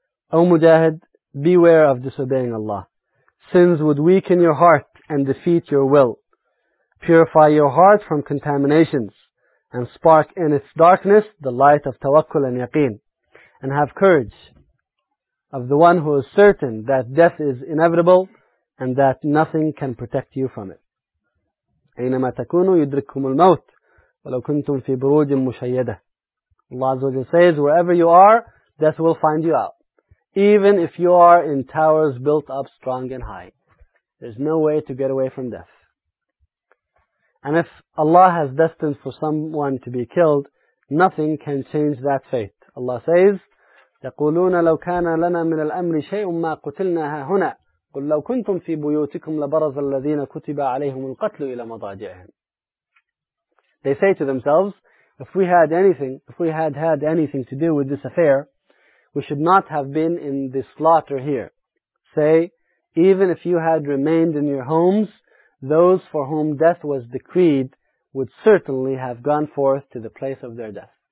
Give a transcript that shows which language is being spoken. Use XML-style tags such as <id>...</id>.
<en>O Mujahid, beware of disobeying Allah. Sins would weaken your heart and defeat your will. Purify your heart from contaminations and spark in its darkness the light of tawakkul and yaqeen. And have courage of the one who is certain that death is inevitable and that nothing can protect you from it.</en> <ar>أينما تكونوا يدرككم الموت ولو كنتم في بروج مشيدة.</ar> <en>Allah Azza wa Jalla says, wherever you are, death will find you out. Even if you are in towers built up strong and high, there's no way to get away from death. And if Allah has destined for someone to be killed, nothing can change that fate. Allah says,</en> <ar>يقولون لو كان لنا من الأمر شيء ما قتلنا هنا قل لو كنتم في بيوتكم لبرز الذين كتب عليهم القتل إلى مضاجعهم.</ar> <en>They say to themselves, if we had anything, if we had had anything to do with this affair, we should not have been in the slaughter here. Say, even if you had remained in your homes, those for whom death was decreed would certainly have gone forth to the place of their death.</en>